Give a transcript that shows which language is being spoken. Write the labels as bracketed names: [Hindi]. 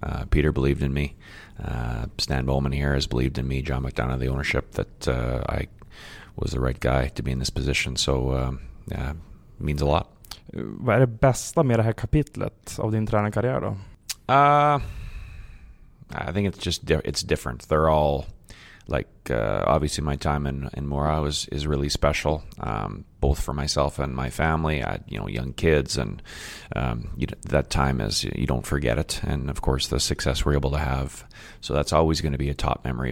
[English] Peter believed in me, Stan Bowman here has believed in me, John McDonough, the ownership, that I was the right guy to be in this position. So means a lot. [Swedish] Vad är det bästa med det här kapitlet av din tränarkarriär då? [English] I think it's just it's different. They're all like obviously my time in Mora is really special, both for myself and my family. I had young kids, and that time is, you don't forget it, and of course the success we're able to have, so that's always going to be a top memory.